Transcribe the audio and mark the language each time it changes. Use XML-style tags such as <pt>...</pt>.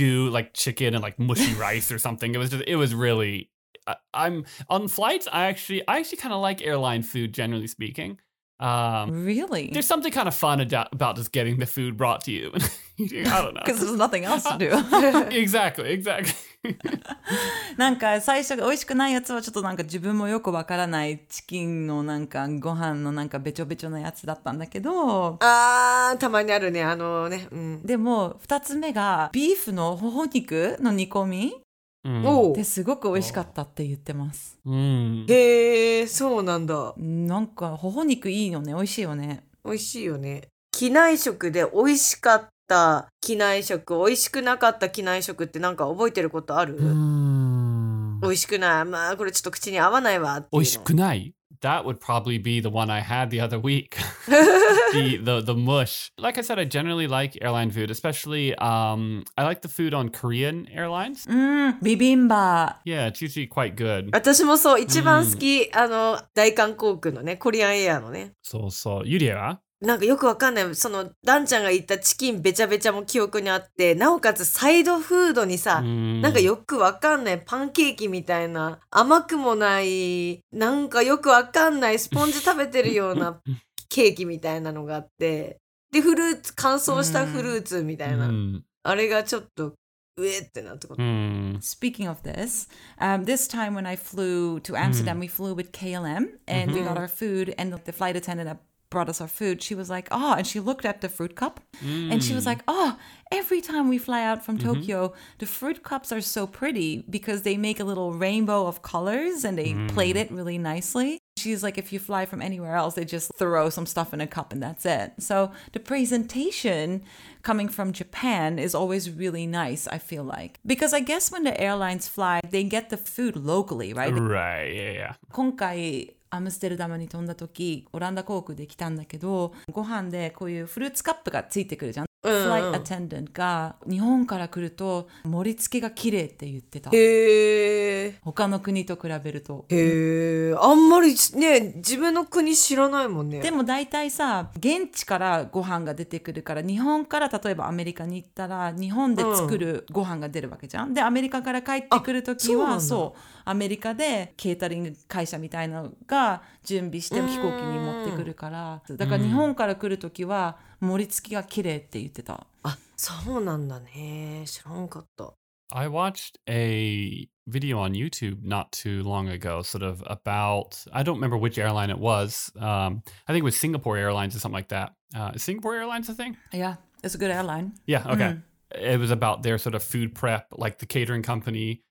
<en>like chicken and like mushy rice or something. It was really... I'm on flights. I actually kind of like airline food, generally speaking. Really? There's something kind of fun about just getting the food brought to you. I don't know. Because there's nothing else to do. exactly.</en> <ja>なんか最初が美味しくないやつはちょっとなんか自分もよくわからないチキンのなんかご飯のなんかべちょべちょなやつだったんだけど。たまにあるね。あのね。でも二つ目がビーフの頬肉の煮込み。ですごく美味しかったって言ってます。へえ、そうなんだ。なんか頬肉いいよね、美味しいよね。美味しいよね。機内食で美味しかった機内食、美味しくなかった機内食ってなんか覚えてることある？美味しくない。まあこれちょっと口に合わないわっていうの。美味しくない。</ja> <en>That would probably be the one I had the other week. the mush. Like I said, I generally like airline food, especially I like the food on Korean airlines. Bibimba. Yeah, it's usually quite good.</en> <ja>私もそう、一番好き、あの、大韓航空のね、コリアンエアのね。そうそう。ユリアは？なんかよくわかんない。その、ダンちゃんが言ったチキンべちゃべちゃも記憶にあって、なおかつサイドフードにさ、なんかよくわかんない。パンケーキみたいな、甘くもない、なんかよくわかんない、スポンジ食べてるようなケーキみたいなのがあって、で、フルーツ、乾燥したフルーツみたいな、あれがちょっと、</ja> <en>Speaking of this, this time when I flew to Amsterdam, we flew with KLM and we got our food and the flight attendant that brought us our food, she was like, oh, and she looked at the fruit cup and she was like, oh, every time we fly out from Tokyo, the fruit cups are so pretty because they make a little rainbow of colors and they plate it really nicely. She's like, if you fly from anywhere else, they just throw some stuff in a cup and that's it. So the presentation coming from Japan is always really nice, I feel like. Because I guess when the airlines fly, they get the food locally, right? Right, yeah, yeah.</en> <ja>今回アムステルダムに飛んだ時、オランダ航空で来たんだけど、ご飯でこういうフルーツカップがついてくるじゃん。 Flight attendant が日本から来ると盛り付けが綺麗って言ってた。へー。 他の国と比べると。へー。あんまりね、自分の国知らないもんね。でも大体さ、現地からご飯が出てくるから、日本から例えばアメリカに行ったら、日本で作るご飯が出るわけじゃん。で、アメリカから帰ってくるときは、そう、アメリカでケータリング会社みたいなのが準備して飛行機に持ってくるから、だから日本から来るときは、盛り付けが綺麗って言ってた。あ、そうなんだね。知らんかった。</ja> <en>I watched a video on YouTube not too long ago, sort of about, I don't remember which airline it was. I think it was Singapore Airlines or something like that. Singapore Airlines, I think? Yeah, it's a good airline. Yeah, okay. It was about their sort of food prep, like the catering company.</en>